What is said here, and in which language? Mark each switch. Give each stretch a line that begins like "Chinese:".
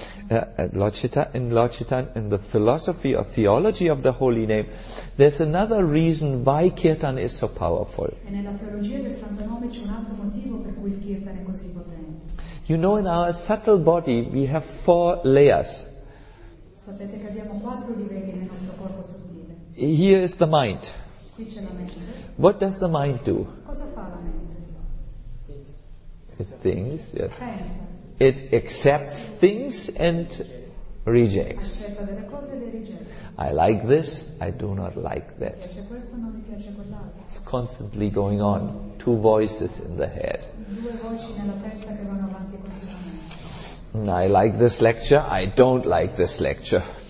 English: In the philosophy or theology of the holy name, there's another reason why kirtan is so powerful. You know, in our subtle body we have four layers.
Italian: Sapete che abbiamo quattro livelli nel nostro corpo sottile.
English: Here is the mind.
Italian: Qui c'è la mente.
English: What does the mind do?
Italian: Cosa fa la mente?
English: It thinks, yes.
Italian: Pensa.
English: It accepts things and rejects.
Italian: Accetta delle cose e le rigetta.
English: I like this, I do not like that.
Italian: Mi piace questo, non mi piace quell'altro.
English: It's constantly going on. Two voices in the head.
Italian: Due voci nella testa che vanno avanti continuamente.
English: I like this lecture, I don't like this lecture.